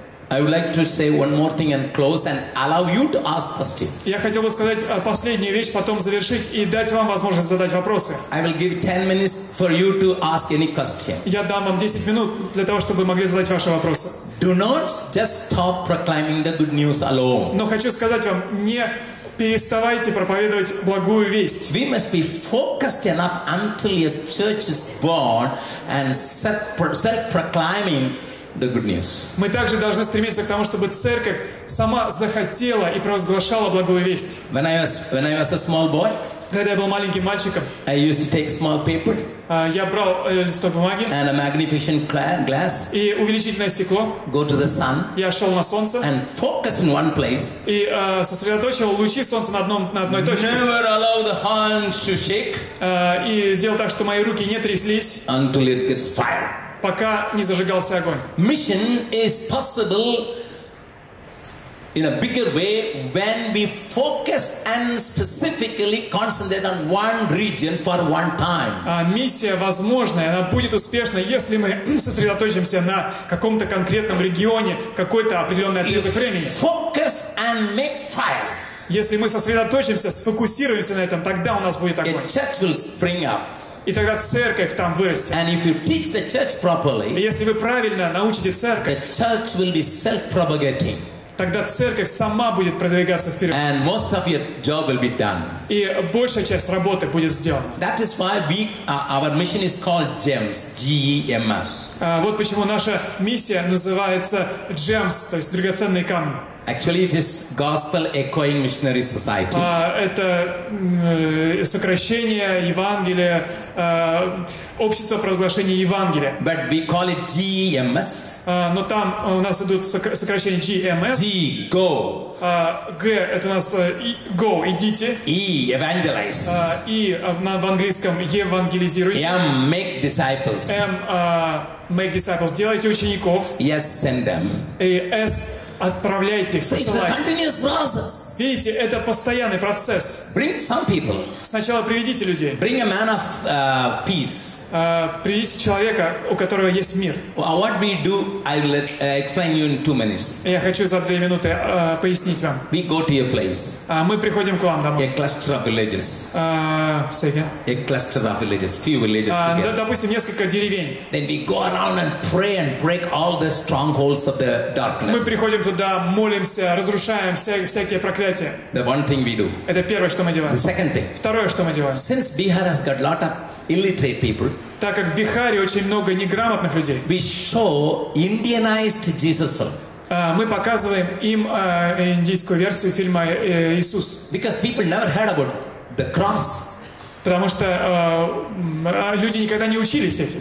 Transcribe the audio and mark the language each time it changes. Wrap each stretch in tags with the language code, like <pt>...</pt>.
<en>I would like to say one more thing and close and allow you to ask questions.</en> <ru>Я хотел бы сказать последнюю вещь, потом завершить и дать вам возможность задать вопросы.</ru> <en>I will give 10 minutes for you to ask any question.</en> <ru>Я дам вам 10 минут для того, чтобы вы могли задать ваши вопросы.</ru> <en>Do not just stop proclaiming the good news alone.</en> <ru>Но хочу сказать вам, не переставайте проповедовать благую весть.</ru> <en>We must be focused enough until your church is born and self-proclaiming the good news.</en> <ru>Мы также должны стремиться к тому, чтобы церковь сама захотела и провозглашала благую весть.</ru> <en>When I was a small boy,</en> <ru>когда я был маленьким мальчиком,</ru> <en>I used to take small paper,</en> <ru>я брал листок бумаги,</ru> <en>and a magnificent glass,</en> <ru>и увеличительное стекло,</ru> <en>go to the sun,</en> <ru>я шел на солнце,</ru> <en>and focus in one place,</en> <ru>и сосредоточивал лучи солнца на одной точке,</ru> <en>never allow the hands to shake,</en> <ru>и сделал так, что мои руки не тряслись,</ru> <en>until it gets fire.</en> <ru>Пока не зажигался огонь.</ru> <en>Mission is possible in a bigger way when we focus and specifically concentrate on one region for one time.</en> <ru>Миссия возможна, она будет успешной, если мы сосредоточимся на каком-то конкретном регионе, какой-то определенный отрезок времени.</ru> <en>Focus and make fire.</en> <ru>Если мы сосредоточимся, сфокусируемся на этом, тогда у нас будет огонь.</ru> <en>A church will spring up.</en> <ru>И тогда церковь там вырастет.</ru> <en>And if you teach the church properly,</en> <ru>если вы правильно научите церковь,</ru> <en>the church will be self-propagating.</en> <ru>Тогда церковь сама будет продвигаться вперед.</ru> <en>And most of your job will be done.</en> <ru>И большая часть работы будет сделана.</ru> <en>That is why our mission is called GEMS. G-E-M-S.</en> <ru>Вот почему наша миссия называется GEMS, то есть драгоценные камни.</ru> <en>Actually, it is Gospel Echoing Missionary Society.</en> <ru>Это сокращение Евангелия, общество провозглашения Евангелия.</ru> <en>But we call it GEMS.</en> <ru>Но там у нас идут сокращения GEMS.</ru> <en>G, go.</en> <ru>G, это у нас go, идите.</ru> <en>E, evangelize.</en> <ru>И в английском евангелизируйте.</ru> <en>M, make disciples. M, make disciples.</en> <ru>Делайте учеников.</ru> <en>Yes, send them.</en> <ru>И S, отправляйте их, посылайте. Видите, это постоянный процесс.</ru> <en>Bring some people.</en> <ru>Сначала приведите людей.</ru> <en>Bring a man of peace.</en> <ru>привести человека, у которого есть мир.</ru> <en>What we do, I'll explain you in 2 minutes.</en> <ru>Я хочу за 2 минуты пояснить вам.</ru> <en>We go to your place.</en> <ru>Мы приходим к вам домой.</ru> <en>A cluster of villages. Say again. A cluster of villages. Few villages together.</en> <ru>Допустим, несколько деревень.</ru> <en>Then we go around and pray and break all the strongholds of the darkness.</en> <ru>Мы приходим туда, молимся, разрушаем всякие проклятия.</ru> <en>The one thing we do.</en> <ru>Это первое, что мы делаем.</ru> <en>The second thing.</en> <ru>Второе, что мы делаем.</ru> <en>Since Bihar has got lot of illiterate people.</en> <ru>Так как в Бихаре очень много неграмотных людей.</ru> <en>We show Indianized Jesus.</en> <ru>Мы показываем им индийскую версию фильма Иисус.</ru> <en>Because people never heard about the cross.</en> <ru>Потому что люди никогда не учились этим.</ru>